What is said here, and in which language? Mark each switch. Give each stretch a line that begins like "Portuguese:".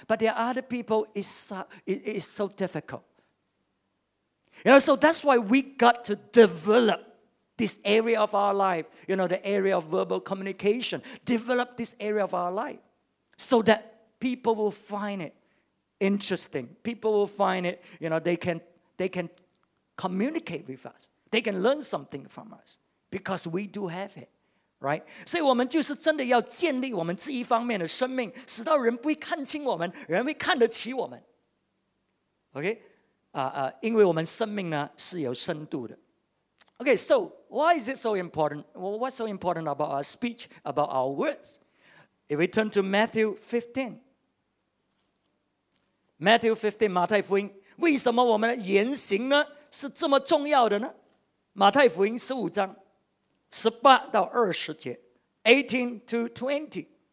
English: But there are other people, it's so difficult. You know, so that's why we got to develop this area of our life, you know, the area of verbal communication. Develop this area of our life so that people will find it interesting. People will find it, you know, they can communicate with us. They can learn something from us because we do have it. Right?
Chinese: 所以我们就是真的要建立我们这一方面的生命, 使到人不会看清我们, 人会看得起我们。
English: Okay?
Chinese: 因为我们生命呢, 是有深度的。
English: Okay, so why is it so important? Well, what's so important about our speech, about our words? If we turn to Matthew 15,
Chinese: Matthew 15, 马太福音, 为什么我们的言行呢, 是这么重要的呢? 马太福音 15章, 18到20节, 18 to 20.